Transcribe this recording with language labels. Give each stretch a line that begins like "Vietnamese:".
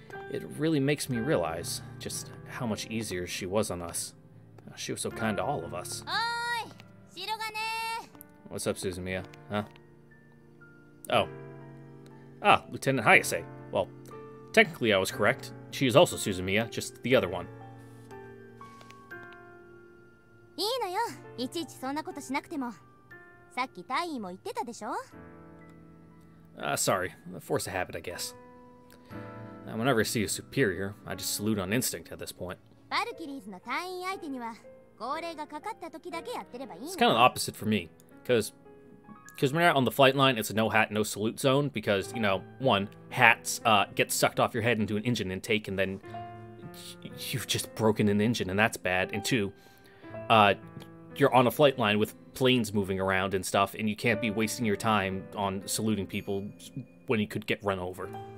English: It really makes me realize just how much easier she was on us. She was so kind to all of us. Oi! Shirogane! What's up, Suzumiya? Huh? Oh. Ah, Lieutenant Hayase. Well, technically I was correct. She is also Suzumiya, just the other one.
Japanese: いいのよ、いちいちそんなことしなくても。さっき隊員も言ってたでしょ?
English: Sorry, force of habit, I guess. Now, whenever I see a superior, I just salute on instinct at this point.
Japanese: バルキリーズの隊員相手には、号令がかかった時だけやってればいいの?
English: It's kind of the opposite for me, because when you're out on the flight line, it's a no hat, no salute zone, because, you know, one, hats get sucked off your head into an engine intake, and then you've just broken an engine, and that's bad, and two,you're on a flight line with planes moving around and stuff, and you can't be wasting your time on saluting people when you could get run over.